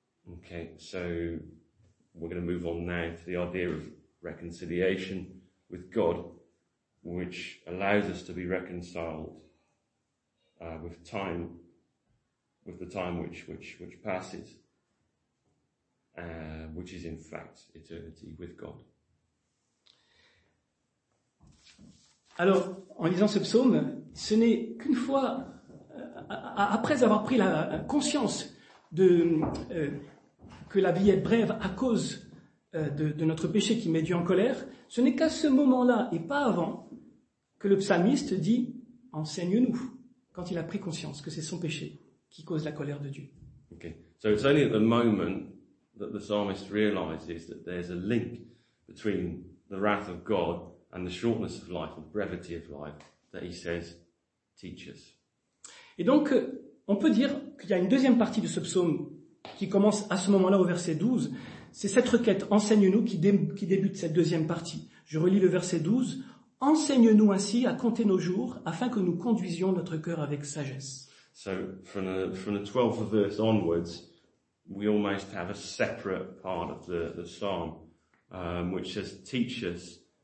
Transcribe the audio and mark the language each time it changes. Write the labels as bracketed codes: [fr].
[en] Okay, so we're going to move on now to the idea of reconciliation with God, which allows us to be reconciled with time, with the time which passes, which is in fact eternity with God. [fr] Alors, en lisant ce psaume, ce n'est qu'une fois, après avoir pris la conscience que la vie est brève à cause de notre péché qui met Dieu en colère, ce n'est qu'à ce moment-là et pas avant que le psalmiste dit « Enseigne-nous » quand il a pris conscience que c'est son péché qui cause la colère de Dieu. [en] Okay. So it's only at the moment that the psalmist realizes that there's a link between the wrath of God and the shortness of life, or the brevity of life, that he says, teach us. [fr] Et donc, on peut dire qu'il y a une deuxième partie de ce psaume qui commence à ce moment-là au verset 12. C'est cette requête, enseigne-nous, qui débute cette deuxième partie. Je relis le verset 12. Enseigne-nous ainsi à compter nos jours, afin que nous conduisions notre cœur avec sagesse. [en] So from the 12th verse onwards, we almost have a separate part of the psalm, which says, teach us